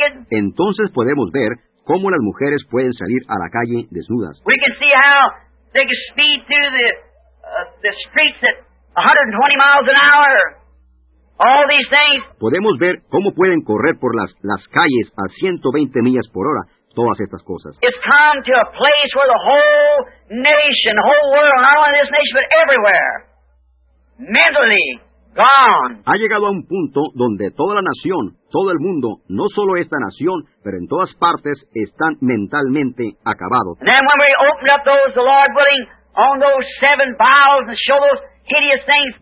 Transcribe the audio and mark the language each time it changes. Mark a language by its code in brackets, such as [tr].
[es] Entonces podemos ver cómo las mujeres pueden salir a la calle desnudas. [en] We can see how they can speed through the streets at 120 miles an hour. All these things. [es] Podemos ver cómo pueden correr por las calles a 120 millas por hora, todas estas cosas. [en] It's come to a place where the whole nation, the whole world, not only this nation, but everywhere, mentally gone. [es] Ha llegado a un punto donde toda la nación, todo el mundo, no solo esta nación, pero en todas partes, están mentalmente acabados. [en] And then when we open up those, the Lord willing, on those seven vials and show those hideous things.